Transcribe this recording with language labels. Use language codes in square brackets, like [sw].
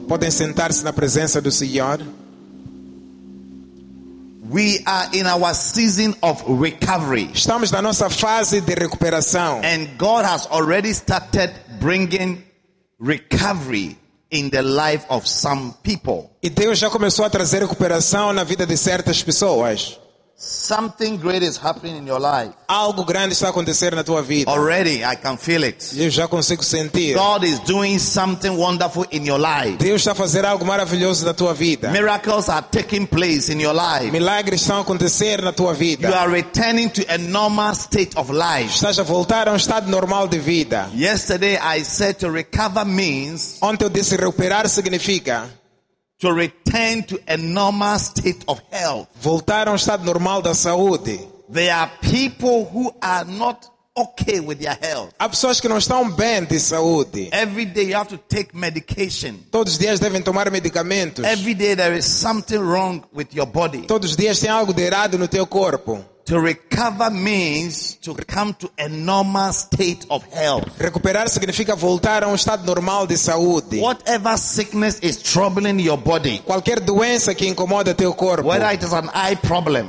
[pt] Podem sentar-se na presença do Senhor. [en] We are in our season of recovery. [pt] Estamos na nossa fase de recuperação. [en] And God has already started bringing recovery in the life of some people. [pt] E Deus já começou a trazer recuperação na vida de certas pessoas. [en] Something great is happening in your life. [pt] Algo grande está acontecendo na tua vida. [en] Already, I can feel it. [pt] Eu já consigo sentir. [en] God is doing something wonderful in your life. [pt] Deus está fazendo algo maravilhoso na tua vida. [en] Miracles are taking place in your life. [pt] Milagres estão acontecendo na tua vida. [en] You are returning to a normal state of life. [pt] Estás a voltar a estado normal de vida. [en] Yesterday, I said to recover means. [pt] Ontem eu disse recuperar significa. [en] To return to a normal state of health. [pt] Voltar a estado normal da saúde. [en] There are people who are not okay with their health. [pt] Há pessoas que não estão bem de saúde. [en] Every day you have to take medication. [pt] Todos os dias devem tomar medicamentos. [en] Every day there is something wrong with your body. [pt] Todos os dias tem algo de errado no teu corpo. [en] To recover means to come to a normal state of health. [pt] Recuperar significa voltar a estado normal de saúde. [en] Whatever sickness is troubling your body. [pt] Qualquer doença que incomoda teu corpo. [en] Whether it is an eye problem.